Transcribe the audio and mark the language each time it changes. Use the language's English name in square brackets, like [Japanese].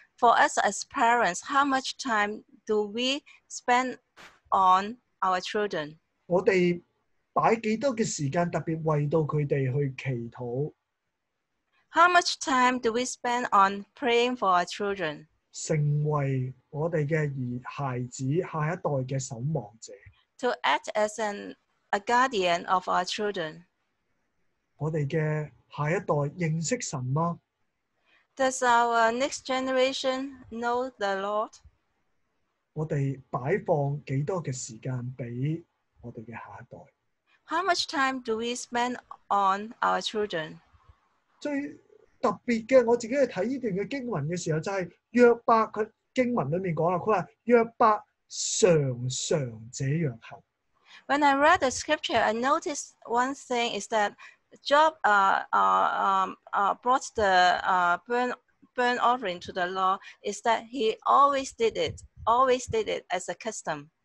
[English] For us as parents, how much time do we spend on our children? [Cantonese] 我哋擺幾多嘅時間特別為到佢哋去祈禱? [English] How much time do we spend on praying for our children? [Cantonese] 成為我哋嘅孩子下一代嘅守望者。 [English] To act as a guardian of our children. [Cantonese] 我哋嘅下一代認識神嗎? [English] Does our next generation know the Lord? [Cantonese] 我哋擺放幾多嘅時間俾我哋嘅下一代? [English] How much time do we spend on our children? [Cantonese] 最特別嘅，我自己去睇呢段嘅經文嘅時候，就係約伯佢經文裡面講啦，佢話約伯常常這樣行。 [English] When I read the scripture, I noticed one thing is that. Job brought the burnt offering to the Lord is that he always did it as a custom.